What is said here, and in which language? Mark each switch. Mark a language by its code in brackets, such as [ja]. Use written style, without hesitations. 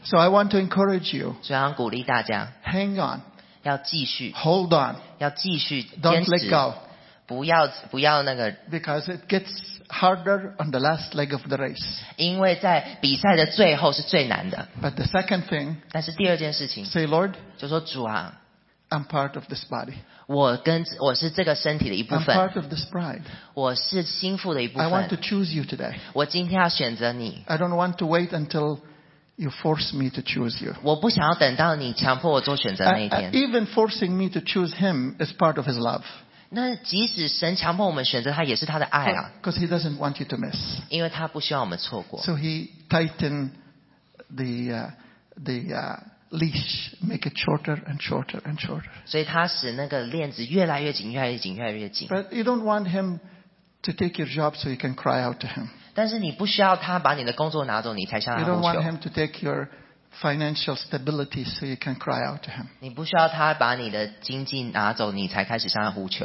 [en] So I want to encourage you. [zh] 所以要鼓励大家 [en] Hang on. [zh] 要继续 [en] Hold on. [zh] 要继续 [en] 坚持 Don't let go. [zh] 不要那个 [en] Because it gets harder on the last leg of the race. [zh] 因为在比赛的最后是最难的 [en] But the second thing, [zh] 但是第二件事情 [en] Say Lord, [zh] 就说主啊 [en] I'm part of this body. [zh] 我是这个身体的一部分 [en] I'm part of this bride. [zh] 我是心腹的一部分 [en] I want to choose you today. [zh] 我今天要选择你 [en] I don't want to wait until you force me to choose you. [zh] 我不想要等到你强迫我做选择那一天 [en] Even forcing me to choose him is part of his love. [zh] 那即使神强迫我们选择他，也是他的爱啊。 [en] Because he doesn't want you to miss. [zh] 因为他不希望我们错过。 [en] So he tightened the leash, make it shorter and shorter and shorter. [zh] 所以他使那个链子越来越紧，越来越紧，越来越紧。 [en] But you don't want him to take your job so you can cry out to him. [zh] 但是你不需要他把你的工作拿走，你才向他呼求。 [en] You don't want him to take your financial stability, so you can cry out to him. [zh] 你不需要他把你的经济拿走，你才开始向他呼求。